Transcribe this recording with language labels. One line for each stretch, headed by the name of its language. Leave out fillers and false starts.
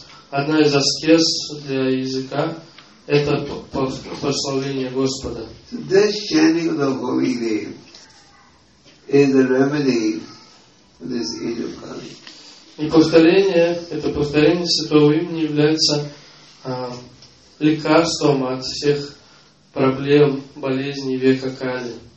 Russian: Одна из аскез для языка — это прославление Господа.
English: So this chanting of the holy name is a remedy for this age of Kali.
Russian: И повторение, это повторение святого имени является лекарством от всех проблем, болезней века Кали.